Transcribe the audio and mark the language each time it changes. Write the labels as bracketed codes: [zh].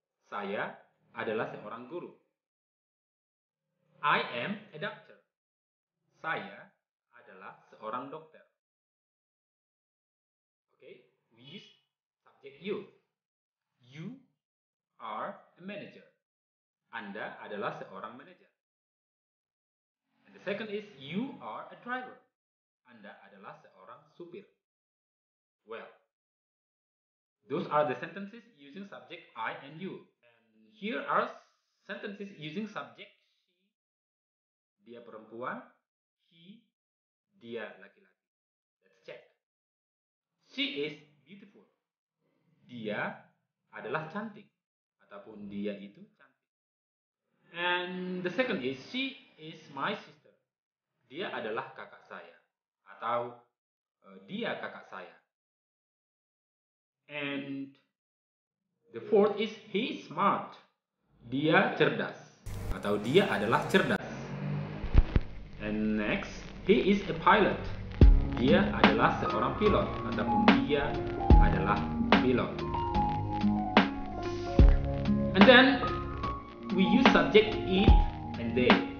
[id] Saya adalah seorang guru. [en] I am a doctor. [id] Saya adalah seorang dokter. [en] Okay, we use subject you. You are a manager. [id] Anda adalah seorang manager. [en] And the second is, you are a driver. [id] Anda adalah seorang supir. [en] Well, those are the sentences using subject I and you. And here are sentences using subject she. [id] Dia perempuan. [en] He, [id] dia laki-laki. [en] Let's check. She is beautiful. [id] Dia adalah cantik. Ataupun dia itu cantik. [en] And the second is, she is my sister. [id] Dia adalah kakak saya. Atau, dia kakak saya. [en] And the fourth is, he is smart. [id] Dia cerdas. Atau, dia adalah cerdas. [en] And next, he is a pilot. [id] Dia adalah seorang pilot. Ataupun, dia adalah pilot. [en] And then, we use subject it and they.